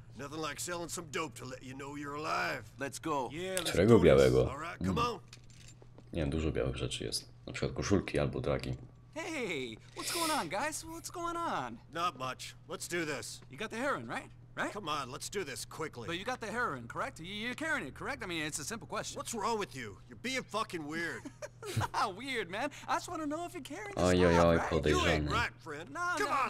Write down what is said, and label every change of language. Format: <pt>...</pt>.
<en>Nothing like selling some dope to let you know you're alive. Let's go.</en> <pl>Którego białego?</pl> <en>Alright, come on.</en> <pl>Nie, dużo białych rzeczy jest. Na przykład koszulki albo dragi.</pl> <en>Hey, what's going on, guys? What's going on? Not much. Let's do this. You got the heroin, right? Right? Come on, let's do this quickly. But you got the heroin, correct? You're carrying it, correct? I mean, it's a simple question. What's wrong with you? You're being fucking weird. Not weird, man. I just want to know if you're carrying this. Oi,</en> <pl>podejrzany.</pl> <en>You ain't right, friend. No, come on,</en>